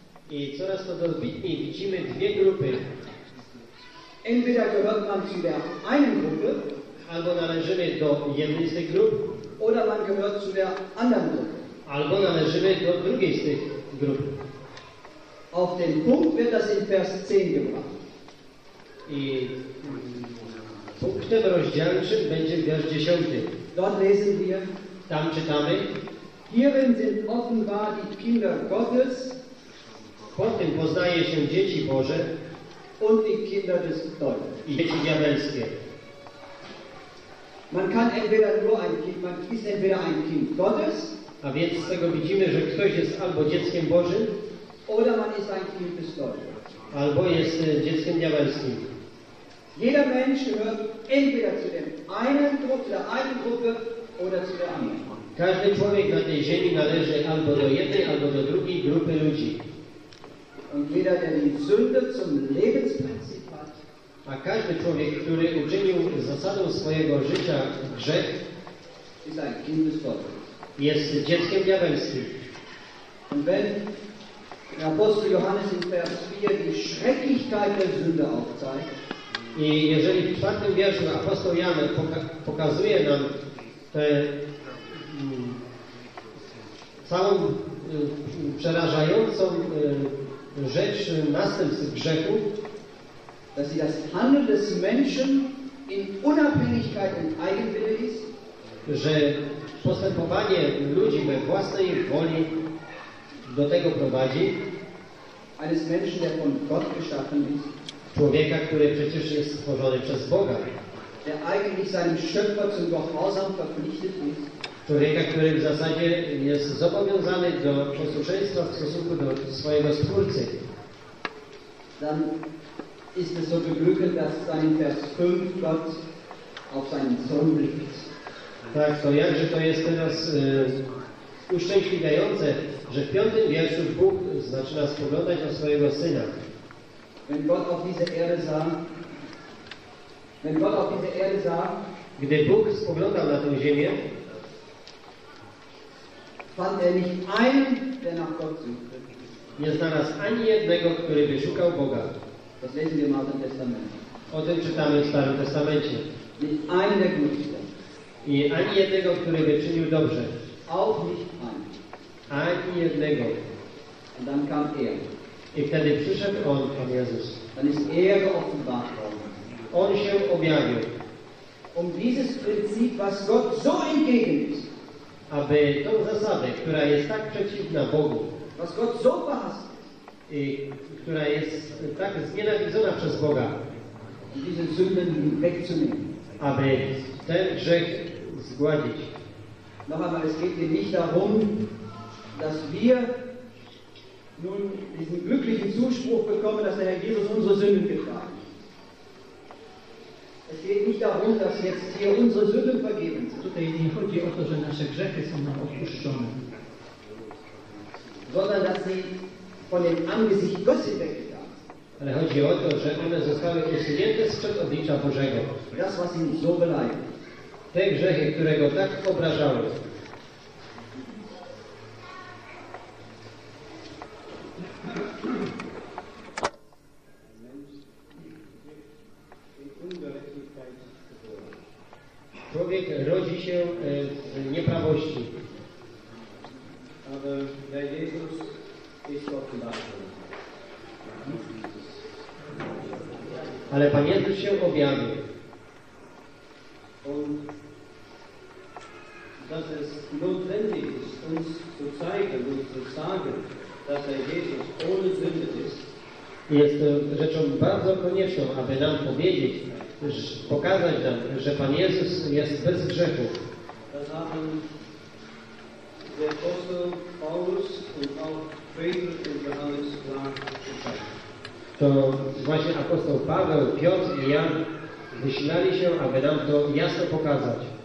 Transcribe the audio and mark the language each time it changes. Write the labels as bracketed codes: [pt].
[pl] I coraz to dobitniej widzimy dwie grupy. [de] Entweder gehört man zu der einen Gruppe. [pl] Albo należymy do jednej z tych grup. [de] Oder man gehört zu der anderen Gruppe. [pl] Albo należymy do drugiej z tych grup. [de] Auf den Punkt wird das in Vers 10 gebracht. [pl] I punktem rozdzielczym będzie wiersz 10. [de] Dort lesen wir. [pl] Tam czytamy. [de] Hierin sind offenbar die Kinder Gottes. [pl] Pod tym poznaje się dzieci Boże. [de] Und die Kinder des Teufels. [pl] I dzieci diabelskie. [de] Man kann entweder nur ein Kind, man ist entweder ein Kind Gottes. [pl] A więc z tego widzimy, że ktoś jest albo dzieckiem Bożym, [de] oder man ist ein Kind des Teufels, [pl] albo jest dzieckiem diabelskim. [de] Jeder Mensch gehört entweder zu dem einen Gruppe, der einen Gruppe, oder zu der anderen. [pl] Każdy człowiek na tej ziemi należy albo do jednej, albo do drugiej grupy ludzi. [de] Und jeder, der die Sünde zum Lebensprinzip hat. [pl] A każdy człowiek, który uczynił zasadą swojego życia grzech, [de] ist ein Kind des Teufels. [pl] Jest dzieckiem diabelskim. [de] Und wenn der Apostel Johannes in Vers 4 die Schrecklichkeit der Sünde aufzeigt, [pl] i jeżeli w czwartym wierszu apostoł Jan pokazuje nam całą przerażającą rzecz następstw grzechu, [de] dass sie das Handeln des Menschen in Unabhängigkeit und Eigenwille ist, [pl] że postępowanie ludzi we własnej woli do tego prowadzi, [de] eines Menschen, der von Gott geschaffen ist, [pl] człowieka, który przecież jest stworzony przez Boga, [de] der eigentlich seinem Schöpfer zum Gehorsam verpflichtet ist, [pl] człowieka, który w zasadzie jest zobowiązany do posłuszeństwa w stosunku do swojego Stwórcy, [de] dann ist es so beglückend, dass sein Vers 5 Gott auf seinen Sohn blickt. [pl] Tak, to jakże to jest teraz uszczęśliwiające, że w piątym wierszu Bóg zaczyna spoglądać na swojego Syna. [de] Wenn Gott auf diese Erde sah, wenn Gott auf diese Erde sah, [pl] gdy Bóg spoglądał na tę ziemię, [de] fand er nicht einen, der nach Gott suchte. [pl] Nie znalazł ani jednego, który by szukał Boga. [de] Das lesen wir im Alten Testament. [pl] O tym czytamy w Starym Testamencie. [de] Nicht einen, der gut ist. [pl] I ani jednego, który by czynił dobrze. [de] Auch nicht ein. [pl] Ani jednego. [de] Und dann kam er. [pl] I wtedy przyszedł on, Pan Jezus. [de] Dann ist er geoffenbart worden. [pl] On się objawił. [de] Um dieses Prinzip, was Gott so entgegen ist. [pl] Aby tą zasadę, która jest tak przeciwna Bogu. [de] Was Gott so verhasst. [pl] I która jest tak znienawidzona przez Boga. [de] Um diese Sünden wegzunehmen. [pl] Aby ten grzech zgładzić. [de] Noch einmal, es geht hier nicht darum, dass wir nun diesen glücklichen Zuspruch bekommen, dass der Herr Jesus unsere Sünden getragen hat. Es geht nicht darum, dass jetzt hier unsere Sünden vergeben sind. [pl] Tutaj nie chodzi o to, że nasze grzechy są nam odpuszczone. [de] Sondern, dass sie von dem Angesicht Gottes weggetragen sind. [pl] Ale chodzi o to, że one zostały usunięte sprzed oblicza Bożego. [de] Das, was ihn so beleidigt. [pl] Te grzechy, które go tak obrażały. Człowiek rodzi się z nieprawości. [de] Aber der Jesus ist offenbar. [pl] Ale Pan Jezus się objawił. [de] On dass es notwendig ist, uns zu zeigen und zu sagen, dass der Jesus ohne Sünde ist. [pl] Jest rzeczą bardzo konieczną, aby nam powiedzieć, pokazać nam, że Pan Jezus jest bez grzechu. [de] Das haben der Apostel Paulus und auch Petrus und Johannes klar gesagt. [pl] To właśnie apostoł Paweł, Piotr i Jan wysilali się, aby nam to jasno pokazać.